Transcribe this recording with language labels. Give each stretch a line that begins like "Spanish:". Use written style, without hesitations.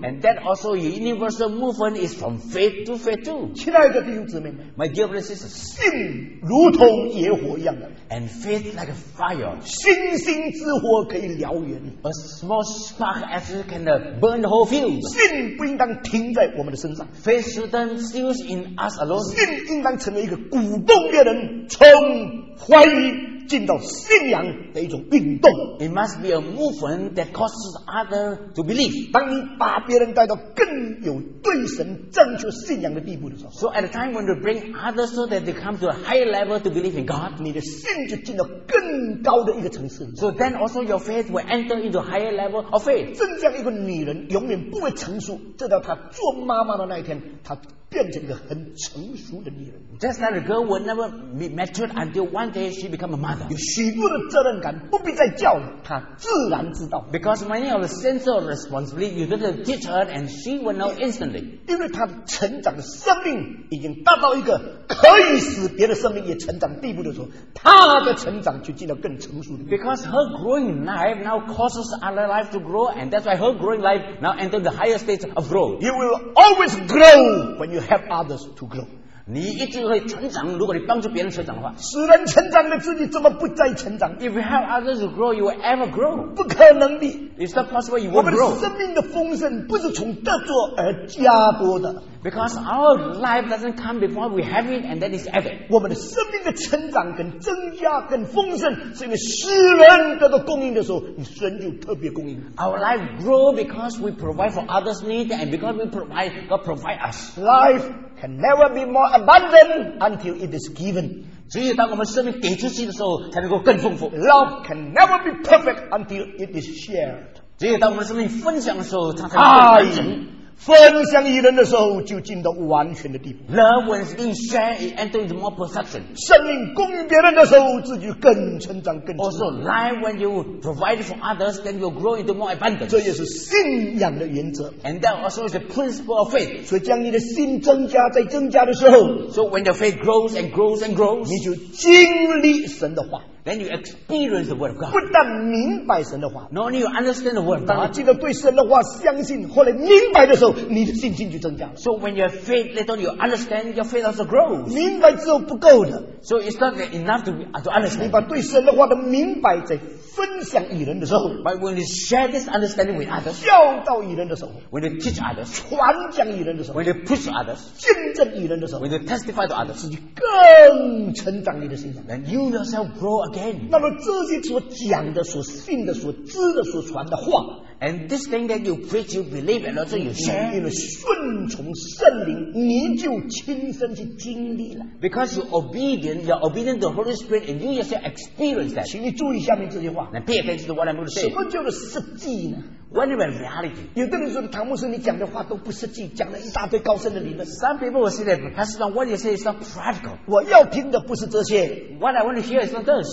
English: And that also universal movement is from faith to faith too.
Chinese: 亲爱的弟兄姊妹,
English: my dear brothers and sisters,
Chinese: 信如同野火一样的。
English: And faith like a fire.
Chinese: 星星之火可以燎原。
English: A small spark as it can burn the whole field.
Chinese: 信不应当停在我们的身上,
English: faith shouldn't stay in us alone.
Chinese: 信应当成为一个鼓动别人充欢愉进到信仰的一种运动。
English: It must be a movement that causes others to believe.
Chinese: 当你把别人带到更有对神正确信仰的地步的时候
English: ，So at a time when you bring others so that they come to a higher level to believe in God,
Chinese: 你的信就进到更高的一个层次。
English: So then also your faith will enter into a higher level of faith.
Chinese: 真正一个女人永远不会成熟，直到她做妈妈的那一天，她。变成一个很成熟的女人。
English: Just like a girl will never be matured until one day she become a mother.
Chinese: 有许多的责任感，不必再教了，她自然知道。
English: Because many of the sense of responsibility, you don't have to teach her, and she will know instantly.
Chinese: 因为她的成长的生命已经达到一个可以使别的生命也成长地步的时候，她的成长就进到更成熟的。
English: Because her growing life now causes other life to grow, and that's why her growing life now enter the higher stage of growth. You will always grow when you help others to grow.
Chinese: 你一定会成长，如果你帮助别人成长的话。使人成长的自己怎么不再成长？
English: If you help others to grow, you will ever grow.
Chinese: 不可能的。
English: It's not possible you won't grow.
Chinese: 我们生命的丰盛不是从得着而加多的。
English: Because our life doesn't come before we have it and then it's added.
Chinese: 我们的生命的成长跟增加跟丰盛是因为使人得到供应的时候，你神就特别供应。
English: Our life grow because we provide for others' need and because we provide, God provide us. Life can never be more abundant until it is given.
Chinese: 只有当我们生命给出去的时候，才能够更丰富。
English: Love can never be perfect until it is shared.
Chinese: 只有当我们生命分享的时候，它才能够完成。分享于人的时候，就进到完全的地步。
English: Love when being shared, it enters more perfection.
Chinese: 生命供应别人的时候，自己更成长、更成长。
English: Also, life when you provide for others, then you grow into more abundance.
Chinese: 这也是信仰的原则。
English: And that also is the principle of faith.
Chinese: 所以，将你的心增加、在增加的时候
English: ，So when your faith grows and grows and grows,
Chinese: 你就经历神的话。
English: Then you experience the word of God.
Chinese: 不但明白神的话
English: ，Not only you understand the word of God.
Chinese: 当你记得对神的话相信，后来明白的时候，你的信心就增加了。
English: So when your faith, later you understand, your faith also grows.
Chinese: 明白之后不够的。
English: So it's not enough to understand.
Chinese: 你把对神的话的明白在分享与人的时候
English: ，But when you share this understanding with others,
Chinese: 教导与人的时候
English: ，When you teach others,
Chinese: 传讲与人的时候
English: ，When you push others,
Chinese: 见证与人的时候
English: ，When you testify to others,
Chinese: 自己更成长你的信仰
English: ，Then you yourself grow again.
Chinese: 那么这些所讲的、所信的、所知的、所传的话
English: ，and this thing that you preach, you believe, and also you share,
Chinese: 因为顺从圣灵，你就亲身去经历了。
English: Because you're obedient, you're obedient to the Holy Spirit, and you yourself experience that.
Chinese: 请你注意下面这些话。
English: Now pay attention to what I'm going to say.
Chinese: 什么叫做实际呢？
English: What about reality?
Chinese: 有的人说唐牧师你讲的话都不实际，讲了一大堆高深的理论。
English: Some people will say that, but Pastor John, what you say is not practical.
Chinese: 我要听的不是这些。
English: What I want to hear is not this.